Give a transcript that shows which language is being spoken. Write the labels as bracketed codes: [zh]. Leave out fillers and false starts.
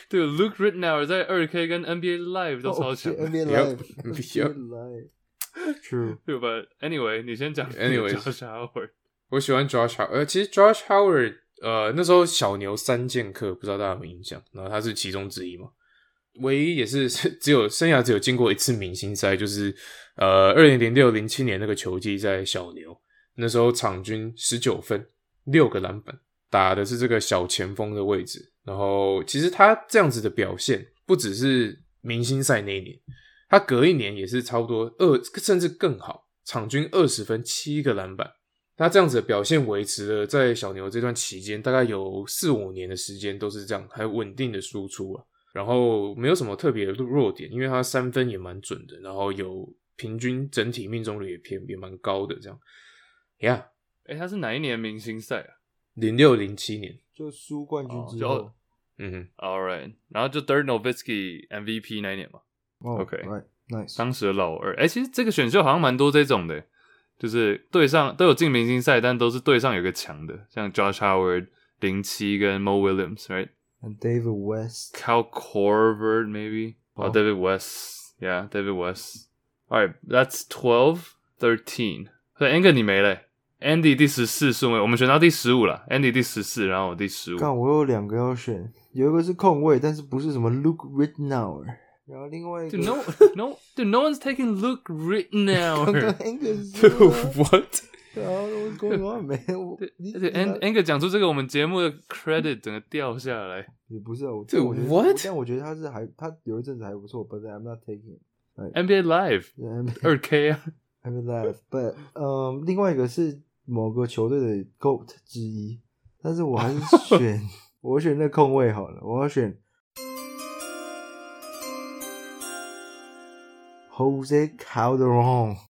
[zh] 对 ，Luke Ritner 在2K 跟 NBA Live 都超强。 [en] Oh, NBA Live， NBA Live， true。 [zh] 对 ， [en] but anyway， [zh] 你先讲。 [en] Anyway， Josh Howard， [zh] 我喜欢 Josh Howard。其实 Josh Howard， 那时候小牛三剑客，不知道大家有没有印象？然后他是其中之一嘛。唯一也是只有经过一次明星赛，就是2006-2007年那个球季在小牛，那时候场均19分6个篮板，打的是这个小前锋的位置。然后其实他这样子的表现不只是明星赛那一年，他隔一年也是差不多甚至更好，场均20分7个篮板。他这样子的表现维持了在小牛这段期间大概有4-5年的时间都是这样还稳定的输出啊。然后没有什么特别的弱点，因为他三分也蛮准的，然后有平均整体命中率也蛮高的这样。 Yeah，欸，他是哪一年明星赛啊？ 2006-2007年，就输冠军之后。嗯哼，All right， 然后就 Dirk Nowitzki MVP 那一年嘛。 Oh, [en] OK， right，Nice， [zh] 当时的老二。欸，其实这个选秀好像蛮多这种的，就是队上都有进明星赛，但都是队上有个强的，像 Josh Howard 07跟 Mo Williams，Right？ [en] 嗯哼。And David West. Cal Corver, maybe. Oh, David West. Yeah, David West. All right, that's 12, 13. [zh] So, Anger, 你没嘞。 Andy 第14顺位，我们选到第15啦。 Andy 第14，然后我第15。干，我有两个要选，有一个是空位，但是不是什么 Luke Rittenhour。然后另外一个 [en] Dude, no one's taking Luke Rittenhour. Dude, what? What's going on, man? [zh] Anger 讲出这个，我们节目的 credit 整个掉下来。也不是啊，我 [en] Dude, [zh] 我 [en] what? [zh] 但我觉得他是还他有一阵子还不错 ， [en] but I'm not taking [zh] like, NBA Live 二 K 啊。 [en] I'm alive, but [zh] 另外一个是某个球队的 GOAT 之一，但是我还是选我选那控卫好了，我要选 Jose Calderon.